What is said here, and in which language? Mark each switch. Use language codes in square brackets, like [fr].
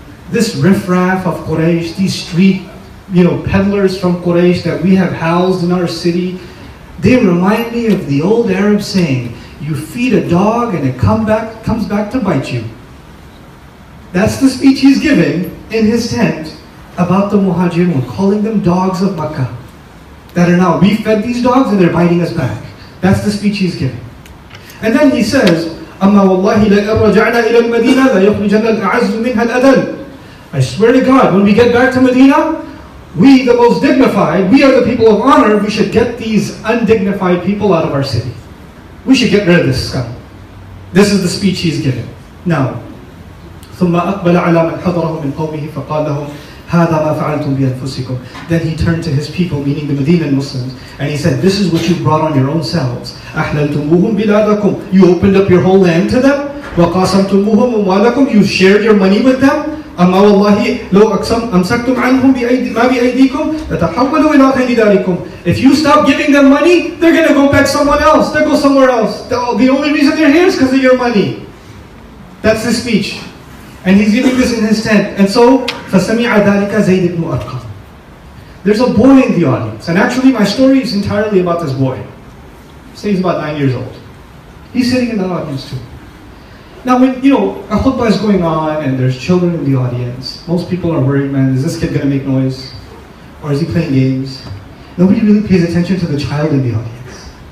[en] This riffraff of Quraysh, these street, peddlers from Quraysh that we have housed in our city, they remind me of the old Arab saying, you feed a dog and it comes back to bite you. That's the speech he's giving in his tent about the Muhajirun, calling them dogs of Makkah. That are now, we fed these dogs and they're biting us back. That's the speech he's giving. And then he says, [ar] أَمَّا وَاللَّهِ لَئِنْ رَجَعْنَا إِلَى الْمَدِينَةِ لَيُخْرِجَنَّ الْأَعَزُّ مِنْهَا الْأَذَلُ. [en] I swear to God, when we get back to Medina, we the most dignified, we are the people of honor, we should get these undignified people out of our city. We should get rid of this scum. This is the speech he's giving. [ar] Now, ثُمَّ أَقْبَلَ عَلَى مَنْ حَضَرَهُ مِنْ قَوْمِهِ فَقَالَ لَهُمْ هَذَا مَا فَعَلْتُمْ بِأَنفُسِكُمْ. [en] Then he turned to his people, meaning the Medinan Muslims, and he said, this is what you brought on your own selves. [ar] أَحْلَلْتُمُوهُمْ بِلَادَكُمْ. [en] You opened up your whole land to them. [ar] وَقَاسَمْتُمُوهُمْ أَمْوَالَكُمْ. [en] You shared your money with them. [ar] أَمَّا وَاللَّهِ لَوْ أَمْسَكْتُمْ عَنْهُمْ مَا بِأَيْدِيكُمْ لَتَحَوَّلُوا إِلَىٰ غَيْرِ دَارِكُمْ. [en] If you stop giving them money, they're going to go beg someone else. They'll go somewhere else. The only reason they're here is because of your money. That's the speech. And he's giving this in his tent. And so, [ar] فَسَمِعَ ذَلِكَ زَيْدِ بْنُ أَرْقَمْ. [en] There's a boy in the audience. And actually, my story is entirely about this boy. Say he's about 9 years old. He's sitting in the audience too. Now, when you know, a khutbah is going on and there's children in the audience, most people are worried, man, is this kid going to make noise? Or is he playing games? Nobody really pays attention to the child in the audience.